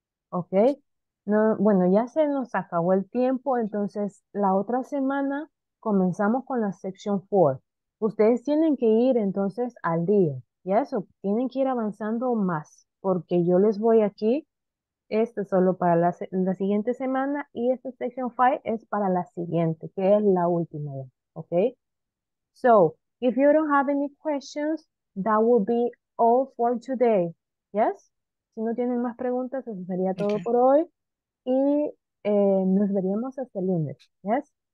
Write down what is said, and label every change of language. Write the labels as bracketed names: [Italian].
[Spanish] Ok, no, bueno, ya se nos acabó el tiempo, entonces la otra semana comenzamos con la Section 4. Ustedes tienen que ir entonces al día, ya eso, tienen que ir avanzando más, porque yo les voy aquí, esto es solo para la siguiente semana, y esta Section 5 es para la siguiente, que es la última, ok. [English] So, if you don't have any questions, that will be all for today, yes? [Spanish] Si no tienen más preguntas, eso sería todo okay. Por hoy, y nos veríamos hasta el lunes, yes?